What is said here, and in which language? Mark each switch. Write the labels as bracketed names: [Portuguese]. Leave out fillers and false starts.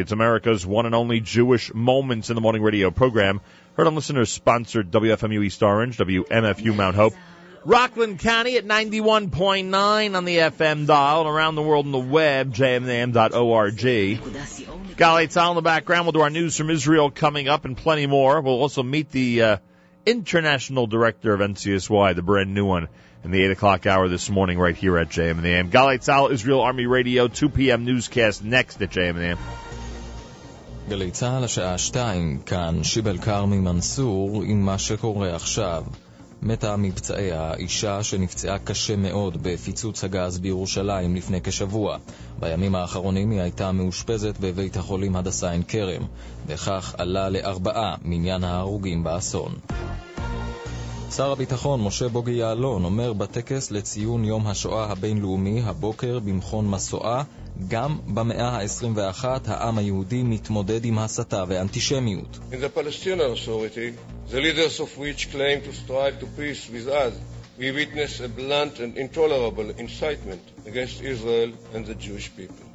[English] It's America's one and only Jewish Moments in the Morning radio program, heard on listeners-sponsored WFMU East Orange, WMFU Mount Hope, Rockland County at 91.9 on the FM dial, and around the world on the web, jmintheam.org. Gali Tzal in the background. We'll do our news from Israel coming up and plenty more. We'll also meet the international director of NCSY, the brand new one, in the 8 o'clock hour this morning right here at JM and the AM. Gali Tzal, Israel Army Radio, 2 p.m. newscast next at JM and the AM. [Hebrew] Gali Tzal, השעה 2, כאן שיבל קרמי מנסור עם מה שקורה עכשיו. מתה מפצעיה, אישה שנפצעה קשה מאוד בפיצוץ הגז בירושלים לפני כשבוע. בימים האחרונים היא הייתה מאושפזת בבית החולים הדסה עין כרם. וכך עלה לארבעה מניין ההרוגים באסון. שר הביטחון משה בוגי יעלון אומר בטקס לציון יום השואה הבינלאומי הבוקר במכון מסועה, גם במאה ה-21 העם היהודי מתמודד עם הסתה ואנטישמיות. [English] In the Palestinian Authority, the leaders of which claim to strive to peace with us, we witness a blunt and intolerable incitement against Israel and the Jewish people.